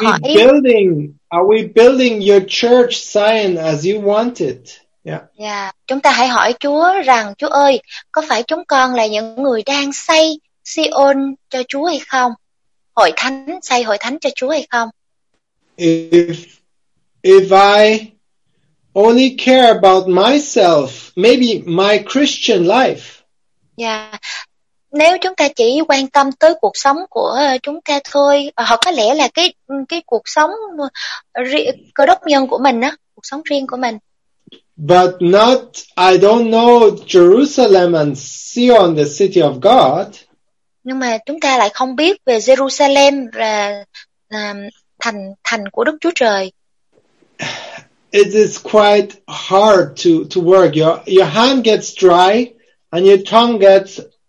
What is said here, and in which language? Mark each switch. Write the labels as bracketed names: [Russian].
[English] Are we building your church Zion as you want it? Yeah. Yeah. [Vietnamese] Chúng ta hãy hỏi Chúa rằng, Chúa ơi, có phải chúng con là những người đang xây Zion cho Chúa hay không? Hội thánh, xây hội thánh cho Chúa hay không? [English] If I only care about myself, maybe my Christian life. Yeah. [Vietnamese] Nếu chúng ta chỉ quan tâm tới cuộc sống của chúng ta thôi, hoặc có lẽ là cái cuộc sống Cơ Đốc nhân của mình á, cuộc sống riêng của mình. [English] But not, I don't know Jerusalem and Zion, the city of God. [Vietnamese] Nhưng mà chúng ta lại không biết về Jerusalem và thành của Đức Chúa Trời. [English] It is quite hard to work. Your hand gets dry and your tongue gets